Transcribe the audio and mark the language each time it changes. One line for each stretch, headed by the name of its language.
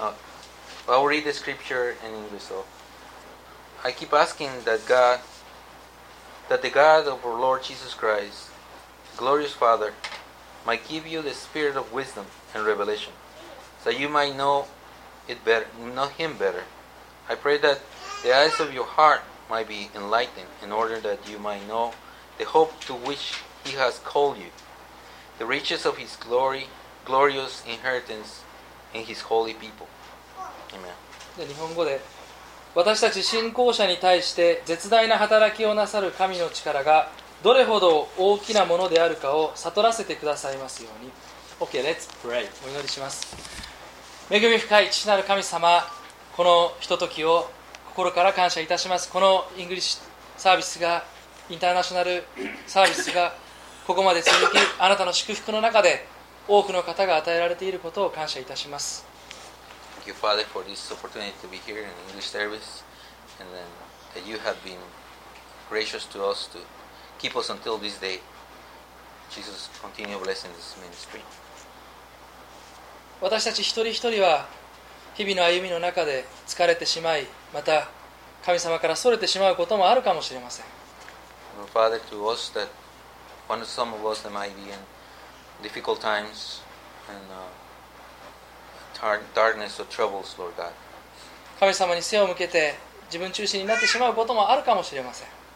English: Oh, well, I'll read the scripture in English. So, I keep asking that God, that the God of our Lord Jesus Christ, glorious Father, might give you the spirit of wisdom and revelation, so you might know it better, know Him better. I pray that the eyes of your heart might be enlightened, in order that you might know the hope to which He has called you, the riches of His glory. Glorious inheritance in His holy people. Amen.
Japanese: で、日本語で、私たち信仰者に対して絶大な働きをなさる神の力がどれほど大きなものであるかを悟らせてくださいますように。
English: Okay, let's pray.
Japanese: お祈りします。恵み深い父なる神様、このひとときを心から感謝いたします。このイングリッシュサービスが、インターナショナルサービスがここまで続き、あなたの祝福の中で多くの方が与えられていることを感謝いたします。
English: Thank you, Father, for this opportunity to be here in English service, and then that you have been gracious to us to keep us until this day. Jesus, continue blessing this ministry.
Japanese: 私たち一人一人は日々の歩みの中で疲れてしまい、また神様から逸れてしまうこともあるかもしれません。
English: Father, to us that one of some of us that might be inDifficult times and darkness or troubles, Lord God.
Japanese: 神様に背を向けて自分中心になってしまうこともあるかもしれません。